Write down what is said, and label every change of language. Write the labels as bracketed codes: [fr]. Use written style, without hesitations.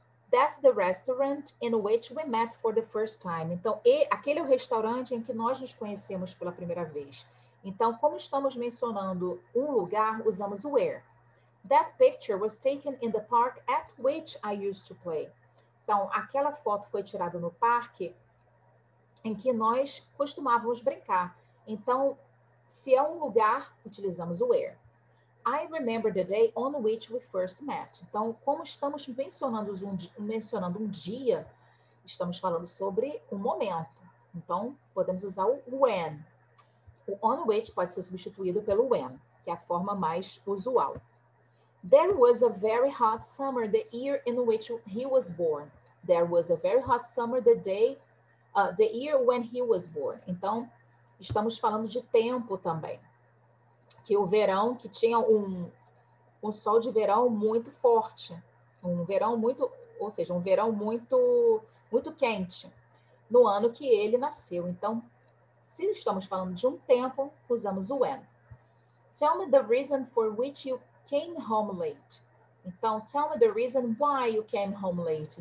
[en] That's the restaurant in which we met for the first time. [pt] Então, aquele é o restaurante em que nós nos conhecemos pela primeira vez. Então, como estamos mencionando um lugar, usamos o where. [en] That picture was taken in the park at which I used to play. [pt] Então, aquela foto foi tirada no parque em que nós costumávamos brincar. Então, se é um lugar, utilizamos o where. [en] I remember the day on which we first met. [pt] Então, como estamos mencionando um dia, estamos falando sobre um momento. Então, podemos usar o when. O on which pode ser substituído pelo when, que é a forma mais usual. [en] There was a very hot summer the year in which he was born. There was a very hot summer the year when he was born. [pt] Então, estamos falando de tempo também. Que o verão, que tinha um sol de verão muito forte. Um verão muito, ou seja, um verão muito quente no ano que ele nasceu. Então, se estamos falando de um tempo, usamos o when. [en] Tell me the reason for which you came home late. [pt] Então, [en] tell me the reason why you came home late.